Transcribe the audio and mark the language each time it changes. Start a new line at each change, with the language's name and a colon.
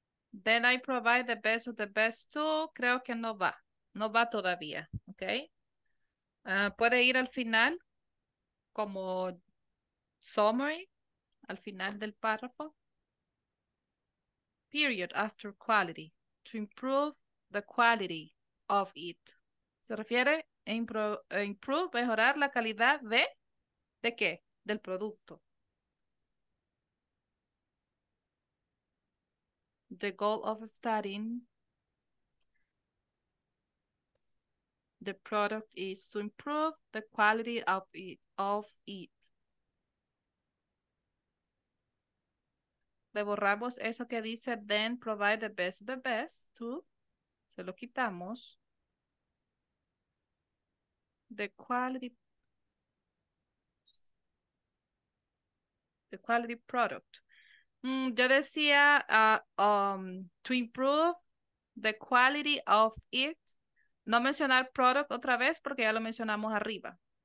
English: Then I provide the best of the best tool.
Spanish: Creo que no va. No va todavía. Ok. Puede ir al final como summary, al final del párrafo.
English: Period after quality. To improve the quality of it.
Spanish: Se refiere a improve, mejorar la calidad de qué? Del producto.
English: The goal of studying the product is to improve the quality of it.
Spanish: Le borramos eso que dice
English: then provide the best to.
Spanish: Se lo quitamos.
English: The quality product.
Spanish: Yo decía
English: to improve the quality of it.
Spanish: No mencionar product otra vez porque ya lo mencionamos arriba.